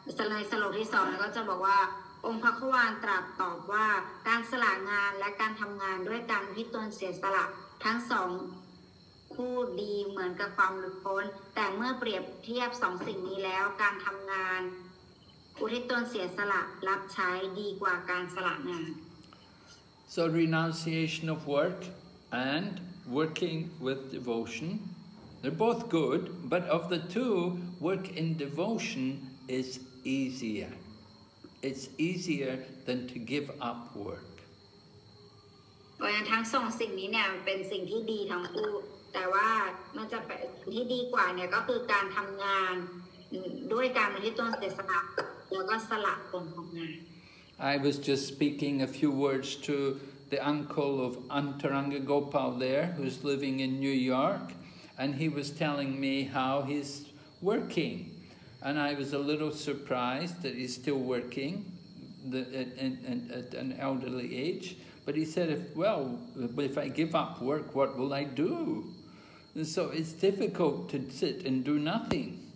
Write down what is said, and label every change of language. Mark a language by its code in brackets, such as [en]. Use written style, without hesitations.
[th] ในสโลกที่สองก็จะบอกว่าองค์พระควานตรัสตอบว่าการสละงานและการทำงานด้วยการพิจารณาเสียสละทั้งสองคู่ดีเหมือนกับความหลุดพ้นแต่เมื่อเปรียบเทียบสองสิ่งนี้แล้วการทำงานอุทิศตนเสียสละรับใช้ดีกว่าการสละงาน [en] So renunciation of work and working with devotion. They're both good, but of the two, work in devotion is easier. It's easier than to give up work. [th] เพราะฉะนั้นทั้งสองสิ่งนี้เนี่ยเป็นสิ่งที่ดีทั้งคู่แต แต่ว่ามันจะเป็นที่ดีกว่าเนี่ยก็คือการทำงานด้วยการที่ตนเสียสละแล้วก็สละผลของงาน [en] I was just speaking a few words to the uncle of Antaranga Gopal there who's living in New York and he was telling me how he's working and I was a little surprised that he's still working at an elderly age but he said if I give up work what will I do and so it's difficult to sit and do nothing